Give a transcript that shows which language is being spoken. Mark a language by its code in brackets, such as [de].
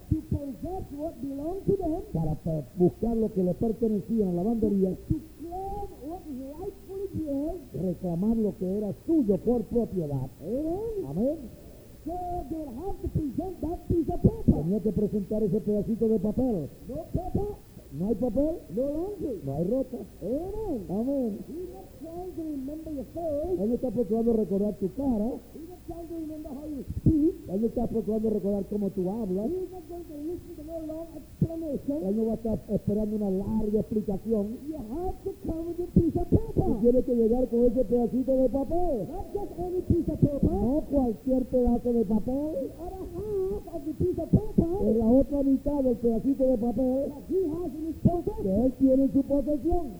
[en] to possess what belonged to them, [es] para buscar lo que le pertenecía a la lavandería, [en] to claim what rightfully belongs, [es] reclamar lo que era suyo por propiedad. [en] Amen. [es] Amén. [en] So they have to present that piece of paper. [es] Tenía que presentar ese pedacito de papel. [en] No paper. [es] No hay papel. [en] No laundry. [es] No hay ropa. [en] Amen. [es] Amen. [en] He's not trying to remember your face. [es] Él está procurando recordar tu cara. [en] He's not trying to remember how you speak. [es] Él está procurando recordar cómo tú hablas. [en] He's not going to listen to no long explanation. [es] Él no va a estar esperando una larga explicación. [en] You have to come with your piece of paper. [es] Tú tienes que llegar con ese pedacito de papel. [en] Not just any piece of paper. [es] No cualquier pedazo de papel. [en] The other half of the piece of paper. [es] La otra mitad del pedacito de papel. Que él tiene en su posesión.